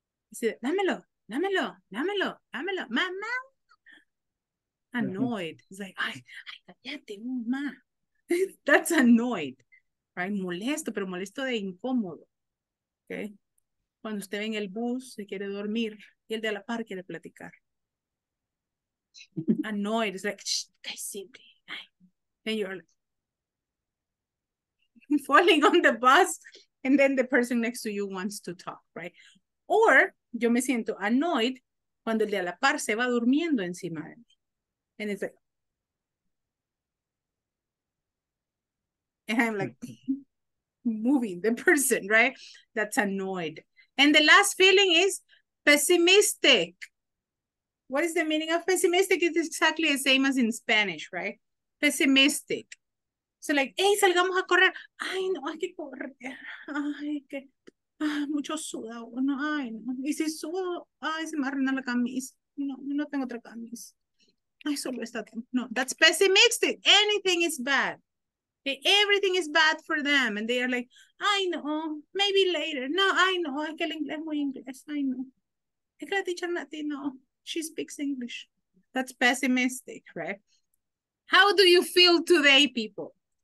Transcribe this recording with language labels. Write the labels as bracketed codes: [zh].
[es] Dice, dámelo, mamá. [en] Annoyed, it's like, [es] ay, cállate, mamá. [en] That's annoyed, right? [es] Molesto, pero molesto de incómodo, [en] okay? [es] Cuando usted ve en el bus, se quiere dormir y el de a la par quiere platicar. [en] Annoyed. It's like, shh, guys, simply. And you're like, falling on the bus and then the person next to you wants to talk, right? [es] Or, yo me siento [en] annoyed [es] cuando el de a la par se va durmiendo encima de mí. [en] And it's like, and I'm like, moving the person, right? That's annoyed. And the last feeling is pessimistic. What is the meaning of pessimistic? It's exactly the same as in Spanish, right? Pessimistic. So like, hey, [es] salgamos a correr. Ay, no, hay que correr. Ay, que mucho sudado. No, ay, no. Y si sudo, ay, se me arruina la camisa. No, no tengo otra camisa. Ay, solo esta. [en] No, that's pessimistic. Anything is bad. Everything is bad for them. And they are like, I know, maybe later. No, I know, [es] es que el inglés muy inglés. [en] I know. [es] Es que la teacher Latino, [en] she speaks English. That's pessimistic, right? How do you feel today, people?